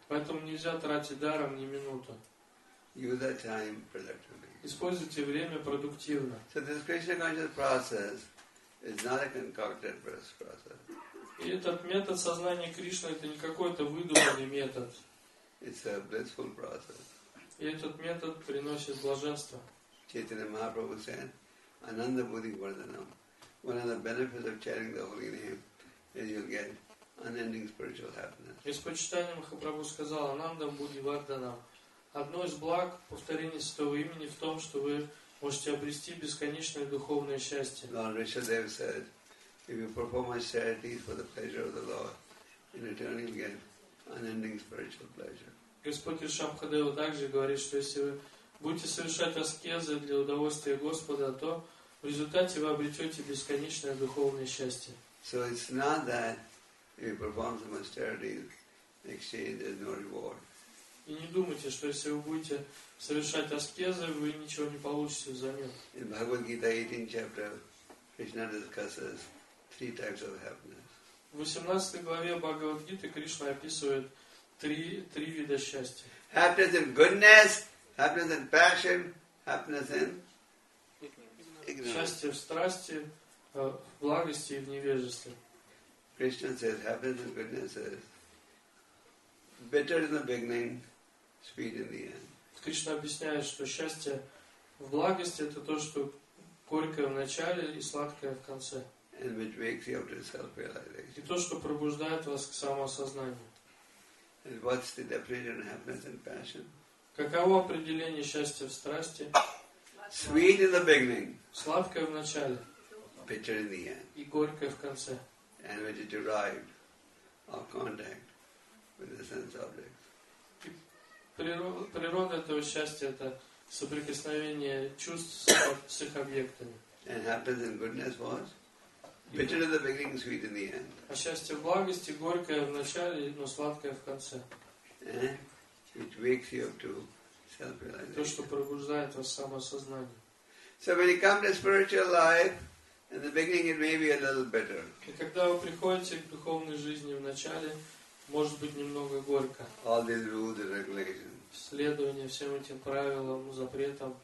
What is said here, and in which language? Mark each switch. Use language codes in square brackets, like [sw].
[ru] Поэтому нельзя тратить даром ни минуту. [en] Use that time productively. [ru] Используйте время продуктивно. [en] So this Krishna consciousness process is not a concocted process. [ru] И этот метод сознания Кришны это не какой-то выдуманный метод. [en] It's a blissful process. [ru] И этот метод приносит блаженство. [en] Chaitanya Mahaprabhu said, [sa] Ananda Buddhi Vardhanam. [en] One of the benefits of chanting the holy name is you'll get unending spiritual happiness. [ru] Из почитания Махапрабху сказал, Ананда Буддхи Варданам. Одно из благ повторения святого имени в том, что вы можете обрести бесконечное духовное счастье. [en] Lord Rishadev said, if you perform austerities for the pleasure of the Lord, in return you'll get unending spiritual pleasure. [ru] Господь Ришабхадева также говорит, что если вы будете совершать аскезы для удовольствия Господа, то в результате вы обретете бесконечное духовное счастье. [en] So it's not that if you perform some austerities in exchange there's no reward. [ru] И не думайте, что если вы будете совершать аскезы, вы ничего не получите взамен. [en] In Bhagavad Gita 18 chapter, Krishna discusses three types of happiness. [ru] В 18 главе Бхагавад Гиты Кришна описывает три вида счастья. [en] Happiness in goodness, happiness in passion, happiness in ignorance. [ru] Счастье в страсти, в благости и в невежестве. [en] Krishna says happiness in goodness is bitter in the beginning, sweet in the end. [ru] Кришна объясняет, что счастье в благости это то, что горькое в начале и сладкое в конце. [en] And which wakes you up to self-realization. [ru] И то, что пробуждает вас к самоосознанию. [en] And what's the definition of happiness and passion? [ru] Каково определение счастья в страсти? [en] Sweet in the beginning. [ru] Сладкое в начале. [en] Bitter in the end. [ru] И горькое в конце. [en] And which is derived of contact with the sense objects. [ru] Природа этого счастья это соприкосновение чувств с их объектами. [en] And happiness and goodness was? Bitter in the beginning, sweet in the end. [ru] А счастье в благости горькое в начале, но сладкое в конце. [en] It wakes you up to self-realization. [ru] То, что пробуждает вас самосознание. [en] So when you come to spiritual life, in the beginning it may be a little bitter. [ru] И когда вы приходите к духовной жизни в начале, может быть немного горько. [en] All these rules and regulations. [ru] Следование всем этим правилам, запретам.